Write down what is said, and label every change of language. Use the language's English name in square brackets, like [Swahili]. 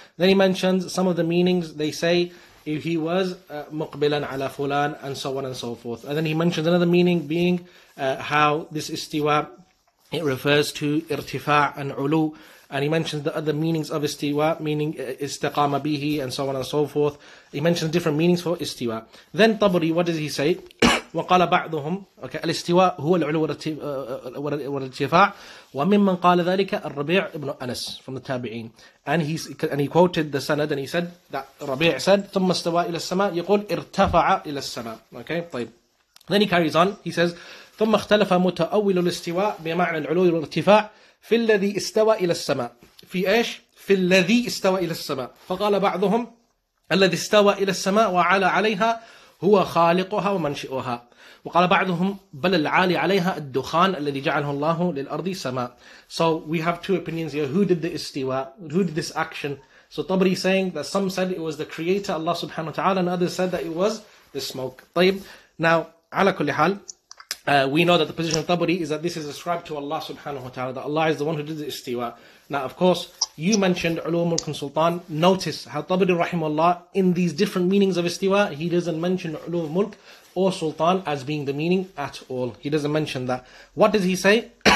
[English] Then he mentions some of the meanings, they say, if he was [Arabic] مُقْبِلًا عَلَى فُلَان, [English] and so on and so forth. And then he mentions another meaning being how this istiwa, it refers to irtifa' and ulu, and he mentions the other meanings of istiwa, meaning istiqama bihi, and so on and so forth. He mentions different meanings for istiwa. Then Tabari, what does he say? [Arabic] وقال بعضهم okay, الاستواء هو العلو والارتفاع وممن قال ذلك الربيع ابن أنس [English] from the [Arabic] تابعين [English] and he quoted the [Arabic] سند [English] and he said that [Arabic] ربيع said ثم استوى إلى السماء يقول ارتفع إلى السماء okay طيب [English] then he carries on he says [Arabic] ثم اختلف متأول الاستواء بمعنى العلو والارتفاع في الذي استوى إلى السماء في إيش في الذي استوى إلى السماء فقال بعضهم الذي استوى إلى السماء وعلى عليها هو خالقها ومنشئها وقال بعضهم بل العالي عليها الدخان الذي جعله الله للأرض سماء [English] So we have two opinions here. Who did the istiwa? Who did this action? So Tabari saying that some said it was the creator Allah subhanahu wa ta'ala and others said that it was the smoke. طيب Now [Arabic] على كل حال [English] we know that the position of Tabari is that this is ascribed to Allah subhanahu wa ta'ala, that Allah is the one who did the istiwa. Now, of course, you mentioned Ulum al-Kunsultan. Notice how Tabari rahimahullah, in these different meanings of istiwa, he doesn't mention Ulum al-Mulk or Sultan as being the meaning at all. He doesn't mention that. What does he say?